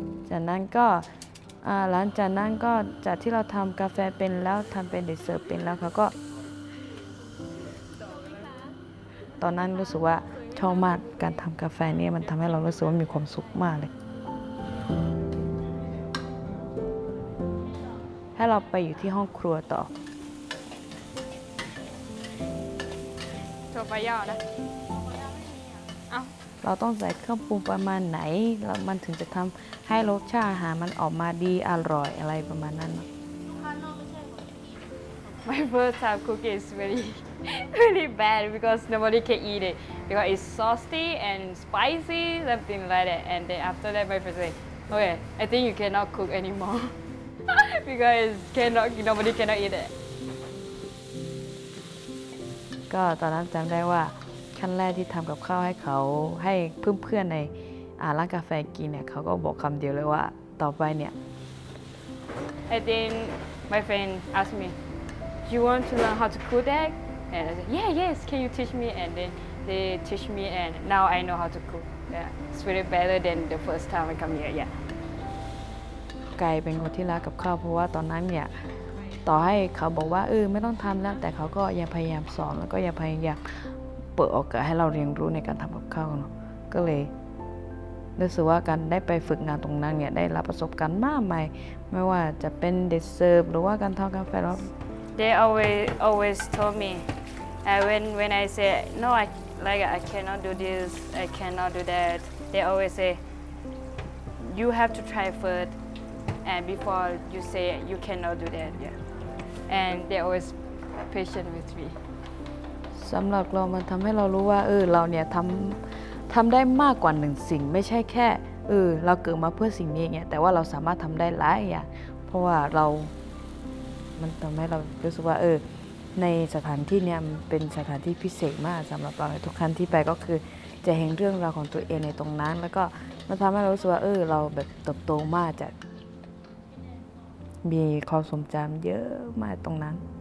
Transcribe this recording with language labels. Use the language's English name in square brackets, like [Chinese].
[Thai] จากนั้นก็หลังจากนั้นก็จากที่เราทำกาแฟเป็นแล้วทำเป็นเดสเซอร์เป็นแล้วเขาก็ตอนนั้นรู้สึกว่าชอบมากการทำกาแฟนี่มันทำให้เรารู้สึกว่ามีความสุขมากเลยให้เราไปอยู่ที่ห้องครัวต่อ โชว์ไฟย่อนะไม่มี เอ้าเราต้องใส่เครื่องปรุงประมาณไหนแล้วมันถึงจะทำให้รสชาติอาหารมันออกมาดีอร่อยอะไรประมาณนั้น [English] นะ My first time cooking is really bad because nobody can eat it because it's saucy and spicy something like that and then after that my friend say okay I think you cannot cook anymoreBecause nobody cannot eat it. [Thai] ก็ตอนนั้นจำได้ว่าขั้นแรกที่ทำกับข้าวให้เขาให้เพื่อนๆในร้านกาแฟกินเนี่ยเขาก็บอกคำเดียวเลยว่าต่อไปเนี่ย [English] I think my friend asked me, "Do you want to learn how to cook that?" And I said, "Yeah, yes. Can you teach me?" And then they teach me, and now I know how to cook. Yeah, it's really better than the first time I come here. Yeah. [Thai] ไกลเป็นคนที่รักกับข้าวเพราะว่าตอนนั้นเนี่ยต่อให้เขาบอกว่าไม่ต้องทำแล้วแต่เขาก็ยังพยายามสอนแล้วก็ยังพยายามเปิดโอกาสให้เราเรียนรู้ในการทำกับข้าวเนาะก็เลยรู้สึกว่าการได้ไปฝึกงานตรงนั้นเนี่ยได้รับประสบการณ์มากมายไม่ว่าจะเป็นเดสเซิร์ฟหรือว่าการทำกาแฟหรอก [English] They always told me when I say no I cannot do this I cannot do that they always say you have to try firstAnd before you say you cannot do that, yeah. And they always patient with me. [Thai] สำหรับเรามันทำให้เรารู้ว่าเราเนี่ยทำได้มากกว่าหนึ่งสิ่งไม่ใช่แค่เราเกิดมาเพื่อสิ่งนี้เนี่ยแต่ว่าเราสามารถทำได้หลายอย่างเพราะว่าเรามันทำให้เรารู้สึกว่าในสถานที่เนี่ยเป็นสถานที่พิเศษมากสำหรับเราทุกครั้งที่ไปก็คือจะเห็นเรื่องราวของตัวเองในตรงนั้นแล้วก็มันทำให้เรารู้สึกว่าเราแบบเติบโตมากจากมีความสมจำเยอะมากตรงนั้น